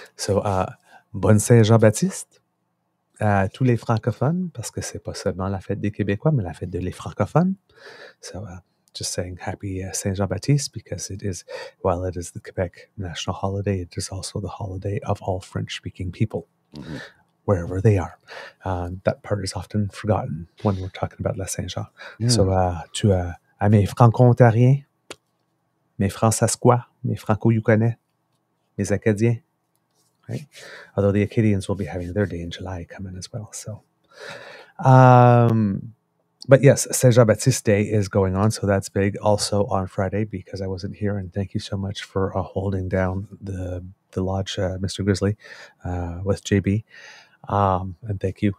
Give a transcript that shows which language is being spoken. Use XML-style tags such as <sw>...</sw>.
<fr>So, Bonne Saint-Jean-Baptiste à tous les francophones, parce que c'est pas seulement la fête des Québécois, mais la fête de les francophones.</fr> <en>So, just saying happy Saint-Jean-Baptiste because it is, while it is the Quebec national holiday, it is also the holiday of all French-speaking people, mm-hmm. wherever they are. That part is often forgotten when we're talking about La Saint-Jean. Yeah. So to</en> <fr>à mes Franco-Ontariens, mes Françaisquois, mes Franco-Yukonais, mes Acadiens,</fr> <en>right? Although the Acadians will be having their day in July coming as well. So... But yes, Saint-Jean-Baptiste Day is going on, so that's big. Also on Friday, because I wasn't here, and thank you so much for holding down the lodge, Mr. Grizzly, with JB. And thank you.</en>